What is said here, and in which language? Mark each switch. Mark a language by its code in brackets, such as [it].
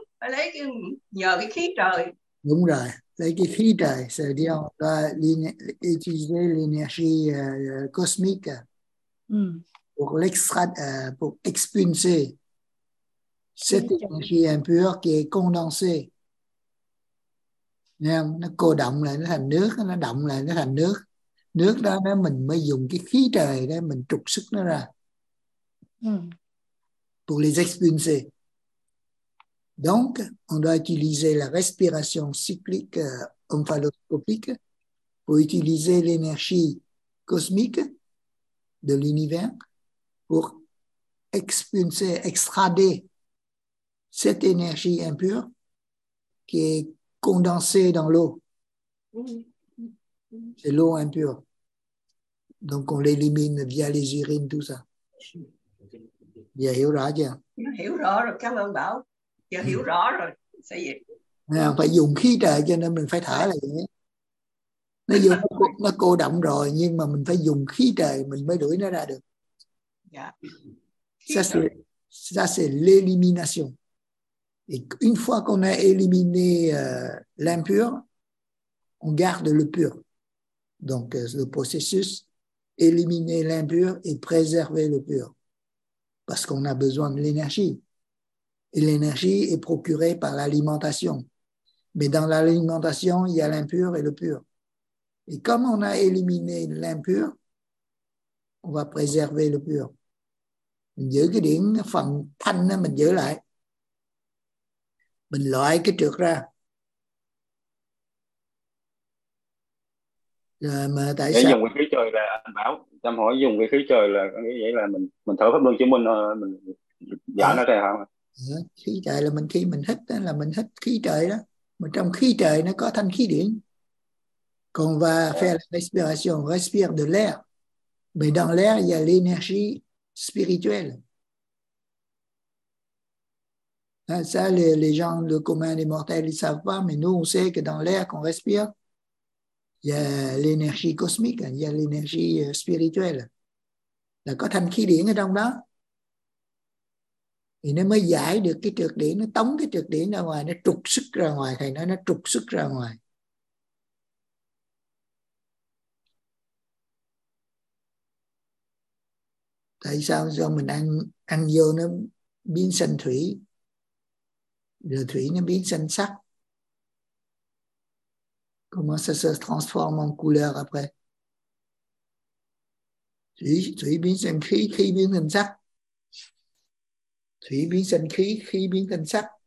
[vi] Lấy cái nhờ cái khí trời. Đúng rồi, lấy cái khí trời sẽ đi ông ta [fr] utiliser l'énergie cosmique pour l'extraire, pour expulser cette énergie impure qui est condensée. [vi] Nó cô động lại, nó thành nước, nó động lại, nó thành nước. Nước đó nó mình mới dùng cái khí trời để mình trục xuất nó ra. [fr] Pour les expulser. Donc, on doit utiliser la respiration cyclique omphaloscopique pour utiliser l'énergie cosmique de l'univers pour expulser, extrader cette énergie impure qui est condensé dans l'eau. C'est l'eau impure. Donc on l'élimine via les urines, tout ça. [vi] Giờ hiểu rõ chưa? Hiểu rõ rồi, cảm ơn Bảo. Giờ hiểu rõ rồi. Sao vậy? Phải dùng khí trời cho nên mình phải thở là vậy. Nó vô, nó cô động rồi, nhưng mà mình phải dùng khí trời mình mới đuổi nó ra được. Dạ. [fr] Ça c'est l'élimination. Et une fois qu'on a éliminé l'impur, on garde le pur. Donc, le processus, éliminer l'impur et préserver le pur. Parce qu'on a besoin de l'énergie. Et l'énergie est procurée par l'alimentation. Mais dans l'alimentation, il y a l'impur et le pur. Et comme on a éliminé l'impur, on va préserver le pur. [vi] Mình giữ cái điểm phần thanh, mình giữ lại. Mình loại cái trược ra. Rồi mà tại sao? Dùng cái khí trời là anh Bảo, tâm hỏi dùng cái khí trời là có nghĩa vậy là mình thở pháp luân chứng minh mình giải nó ra không? Ừ. Khí trời là mình khi mình hít đó, là mình hít khí trời đó. Mà trong khí trời nó có thanh khí điển. [fr] Còn va faire la respiration, respire de l'air. Mais dans l'air il y a l'énergie spirituelle. Ça, les gens, le commun des mortels, ils ne savent pas, mais nous, on sait que dans l'air qu'on respire, il y a l'énergie cosmique, il y a l'énergie spirituelle. [vi] Là, có thanh khí điển ở trong đó. Thì nó mới giải được cái trược điển, nó tống cái trược điển ra ngoài, nó trục xuất ra ngoài, thầy nói nó trục xuất ra ngoài. Tại sao do mình ăn vô nó biến sanh thủy? Le thủy nó biến sanh sắc. [fr] Comment ça se transforme en couleur après? [vi] Thủy biến sanh khí, khí biến thành sắc. Thủy biến sanh khí, khí biến thành sắc.